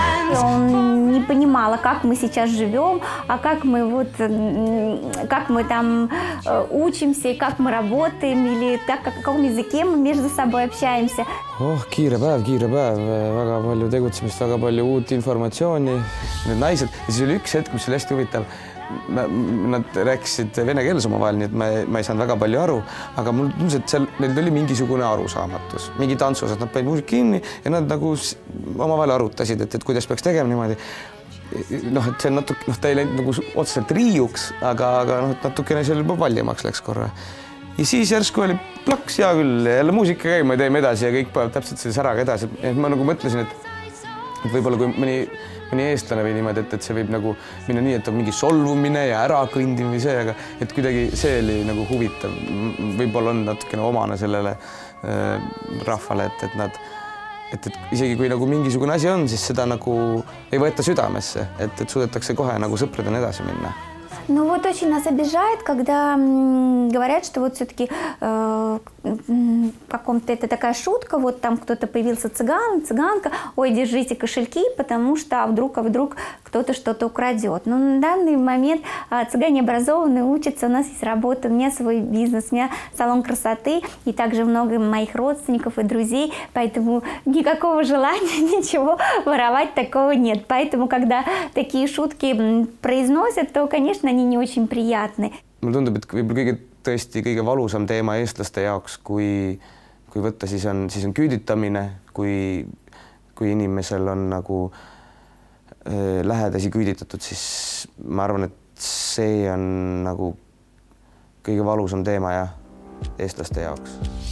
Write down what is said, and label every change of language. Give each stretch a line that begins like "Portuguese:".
Russian: Он не понимал, как мы сейчас живем, а как мы там учимся, как мы работаем, или как, каком языке мы между собой общаемся.
Estonian: Oh, kiire päev. Väga palju tegutsemist, väga palju uut informatsiooni. Need naised. Ja siis oli üks hetk, mis oli hästi huvitav. Nad rääkisid vene keeles oma vahel, nii et ma ei saanud väga palju aru, aga mul tundus, et seal neil oli mingisugune arusaamatus, mingi tantsus, et nad panid muusik kinni ja nad nagu oma vahel arutasid, et kuidas peaks tegema niimoodi. Noh, et see natuke, noh, ta ei läinud nagu otseselt riiuks, aga noh, et natukene seal juba valjemaks läks korra. Ja siis järsku oli plaks, hea küll, jälle muusika käima ja teeme edasi ja kõik peab täpselt selle säraga edasi. Ja ma nagu mõtlesin, et võibolla kui mõni eestlane või niimoodi, et see võib nagu minna nii, et on mingi solvumine ja ära kõndim või see, aga et kuidagi see oli nagu huvitav. Võibolla on natukene omane sellele rahvale, et nad, et isegi kui nagu mingisugune asi on, siis seda nagu ei võeta südamesse, et suudetakse kohe nagu sõpradena edasi minna.
Russian: Ну вот очень нас обижает, когда говорят, что вот все-таки каком-то это такая шутка, вот там кто-то появился цыган, цыганка, ой, держите кошельки, потому что вдруг кто-то что-то украдет. Но на данный момент цыгане образованные учатся, у нас есть работа, у меня свой бизнес, у меня салон красоты и также много моих родственников и друзей, поэтому никакого желания ничего воровать такого нет. Поэтому, когда такие шутки произносят, то, конечно, они не очень приятны.
Estonian: Мне tundub, et võib-olla kõige tõesti kõige valusam teema eestlaste jaoks, kui võtta, siis on küüditamine, kui inimesel on nagu lähedasi küüditatud, siis ma arvan, et see on nagu kõige valusam teema ja eestlaste jaoks.